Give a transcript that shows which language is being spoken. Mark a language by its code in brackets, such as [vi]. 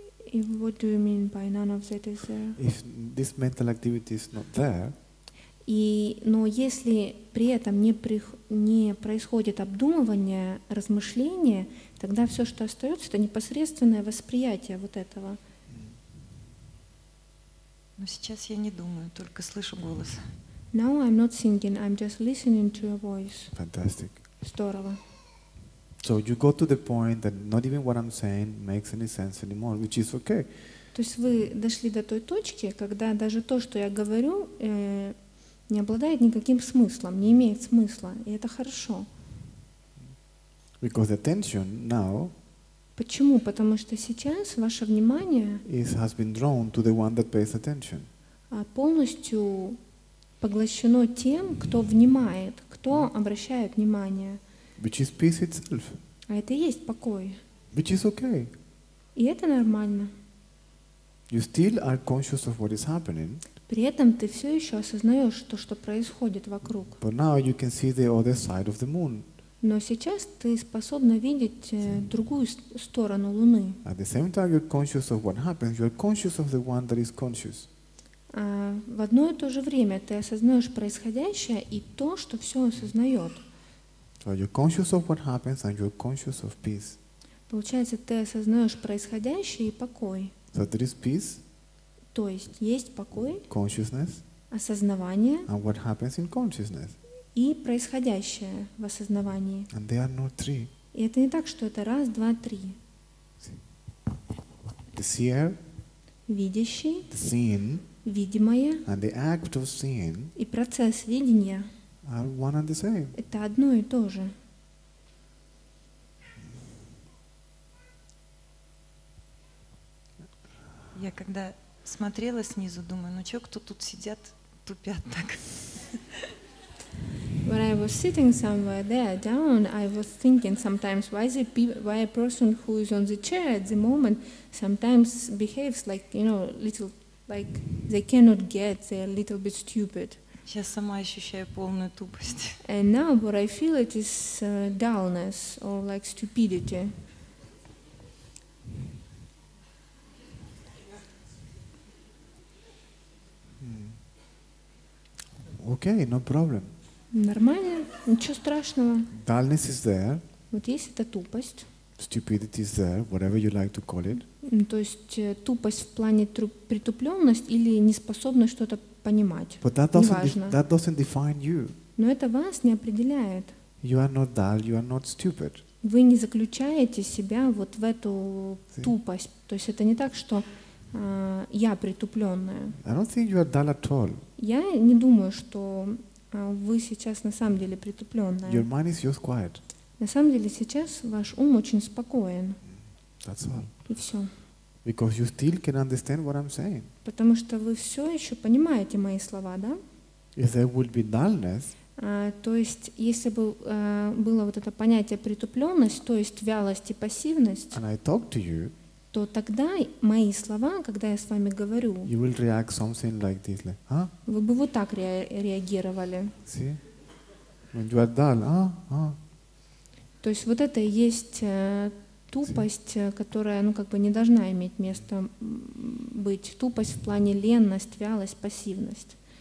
[en] If what do you mean by none of that is there? If this mental activity is not there, [ru] но если при этом не происходит обдумывание, размышление, тогда все, что остается, это непосредственное восприятие вот этого. Но сейчас я не думаю, только слышу голос. [en] Now I'm not thinking, I'm just listening to your voice. Fantastic. [ru] Здорово. [en] So you got to the point that not even what I'm saying makes any sense anymore, which is okay. [ru] То есть вы дошли до той точки, когда даже то, что я говорю, не обладает никаким смыслом, не имеет смысла, и это хорошо. [en] Because attention now. [ru] Почему? Потому что сейчас ваше внимание [en] has been drawn to the one that pays attention. [ru] Полностью поглощено тем, кто внимает, кто обращает внимание. [en] Which is peace itself. [ru] А это и есть покой. [en] Which is okay. [ru] И это нормально. [en] You still are conscious of what is happening. [ru] При этом ты все еще осознаешь то, что происходит вокруг. [en] But now you can see the other side of the moon. [ru] Но сейчас ты способна видеть другую сторону Луны. [en] At the same time you're conscious of what happens, you're conscious of the one that is conscious. [ru] В одно и то же время ты осознаешь происходящее и то, что все осознает. [en] So you're conscious of what happens and you're conscious of peace. [ru] Получается, ты осознаешь происходящее и покой. [en] So there is peace. [ru] То есть есть покой. [en] Consciousness. [ru] Осознавание. [en] And what happens in consciousness. [ru] И происходящее в осознавании. [en] And they are not three. [ru] И это не так, что это раз, два, три. [en] The seer, [ru] видящий, [en] the seen, [ru] видимое, [en] and the act of seeing, [ru] и процесс видения [en] are one and the same. [ru] Это одно и то же. Я когда смотрела снизу, думаю, ну что, кто тут сидят, тупят так. [en] When I was sitting somewhere there down, I was thinking sometimes why a person who is on the chair at the moment sometimes behaves like, you know, little, like they cannot get, they're a little bit stupid. [ru] Сейчас сама ощущаю полную тупость. [en] And now what I feel it is dullness or like stupidity. Okay, no problem. [ru] Нормально, ничего страшного. [en] Dullness is there. [ru] Вот есть эта тупость. [en] Stupidity is there, whatever you like to call it. [ru] То есть тупость в плане притупленность или неспособность что-то понимать. [en] But that doesn't, that doesn't define you. [ru] Но это вас не определяет. [en] You are not dull, you are not stupid. [ru] Вы не заключаете себя вот в эту тупость. То есть это не так, что я притупленная. [en] I don't think you are dull at all. [ru] Я не думаю, что вы сейчас на самом деле притупленная. [en] Your mind is just quiet. [ru] На самом деле сейчас ваш ум очень спокоен. [en] That's all. [ru] И все. [en] Because you still can understand what I'm saying. [ru] Потому что вы все еще понимаете мои слова, да? [en] there would be dullness, [ru] то есть, если бы было вот это понятие притупленность, то есть вялость и пассивность, [en] and I talk to you, [ru] то тогда мои слова, когда я с вами говорю, [en] you will react something like this, like, huh? [ru] Вы бы вот так реагировали. [en] See? When you are dull, huh? [ru] То есть вот это и есть тупость, [en] see? [ru] Которая, ну, как бы не должна иметь места быть. Тупость в плане ленность, вялость, пассивность.